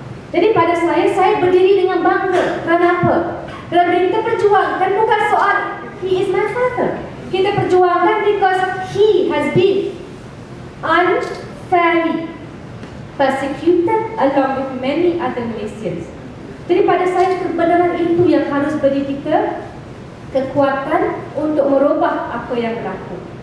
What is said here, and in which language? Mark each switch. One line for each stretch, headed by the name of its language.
Malay: Jadi pada saya berdiri dengan bangga. Kenapa? Kerana kita perjuangkan bukan soal
English: he is my father.
Malay: Kita perjuangkan
English: because he has been unfairly persecuted along with many other Malaysians.
Malay: Jadi pada saya kebenaran itu yang harus beri kita kekuatan untuk merubah apa yang berlaku.